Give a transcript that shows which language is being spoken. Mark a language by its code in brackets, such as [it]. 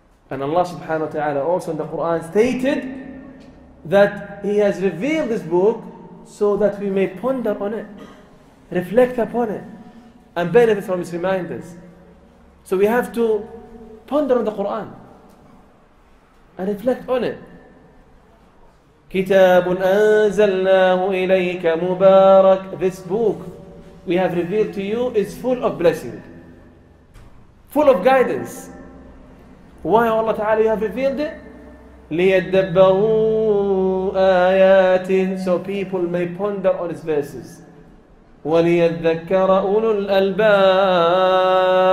[en] And Allah subhanahu wa ta'ala also in the Quran stated that He has revealed this book so that we may ponder on it, reflect upon it, and benefit from its reminders. So we have to ponder on the Quran and reflect on it. [ar] كِتَابٌ أَنزَلْنَاهُ إِلَيْكَ مُبَارَكٌ. [en] This book we have revealed to you is full of blessing, full of guidance. Why Allah Ta'ala you have revealed it? [ar] لِيَدَّبَّرُوا آيَاتِهِ. [en] So people may ponder on His verses. [ar] وَلِيَذَّكَّرَ أُولُو الْأَلْبَابِ.